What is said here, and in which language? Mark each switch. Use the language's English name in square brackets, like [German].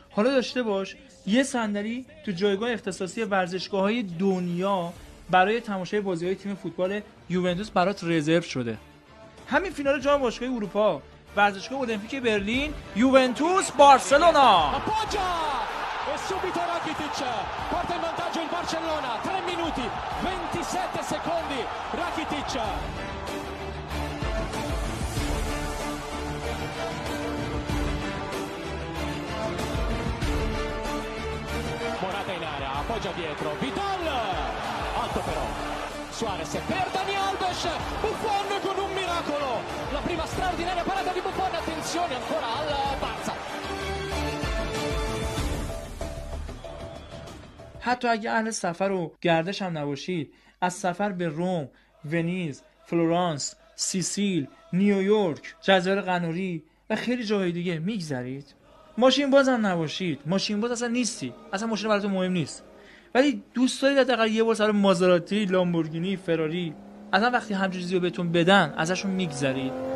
[Persian] حالا داشته باش یه صندلی تو جایگاه اختصاصی ورزشگاه های دنیا برای تماشای بازی های تیم فوتبال یوونتوس برات رزرو شده. همین فینال جام باشگاهی اروپا، ورزشگاه المپیک برلین، یوونتوس بارسلونا. [Italian] E subito Rakitic porta in vantaggio il Barcellona. 3 minuti 27 secondi. Rakitic. Morata in area, appoggia dietro. Vidal. Alto però. Suarez per Dani Alves. Buffon con un miracolo. La prima straordinaria parata di Buffon. Attenzione ancora al Barça. [Persian] حتی اگه اهل سفر و گردش هم نباشید، از سفر به روم، ونیز، فلورانس، سیسیل، نیویورک، جزایر قناری و خیلی جاهای دیگه میگذرید، ماشین باز هم نباشید، ماشین باز اصلا نیستی، اصلا ماشین براتون مهم نیست، ولی دوست دارید حداقل یه بار سر مازراتی، لامبورگینی، فراری، اصلا وقتی همچین چیزی رو بهتون بدن ازشون میگذرید.